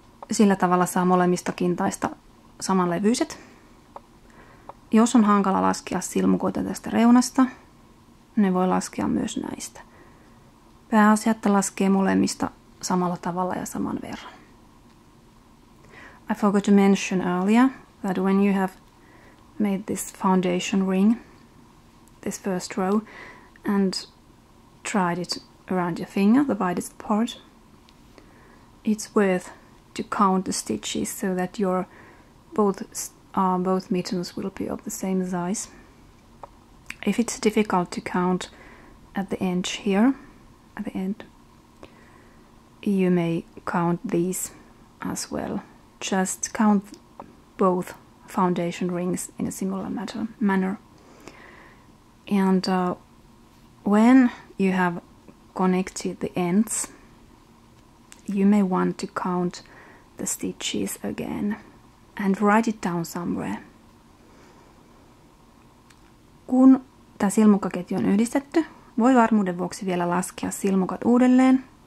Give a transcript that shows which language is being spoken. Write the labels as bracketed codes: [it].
[fi] Sillä tavalla saa molemmista kintaista samanlevyiset. Jos on hankala laskea silmukoita tästä reunasta, ne voi laskea myös näistä. Pääasia, että laskee molemmista samalla tavalla ja saman verran. [en] I forgot to mention earlier that when you have made this foundation ring, this first row, and tried it around your finger, the widest part, it's worth to count the stitches so that your both mittens will be of the same size. If it's difficult to count at the end here, at the end, you may count these as well. Just count both foundation rings in a similar manner. And when you have connected the ends, you may want to count the stitches again and write it down somewhere. [fi] Kun tämä silmukkaketju on yhdistetty, voi varmuuden vuoksi vielä laskea silmukat uudelleen.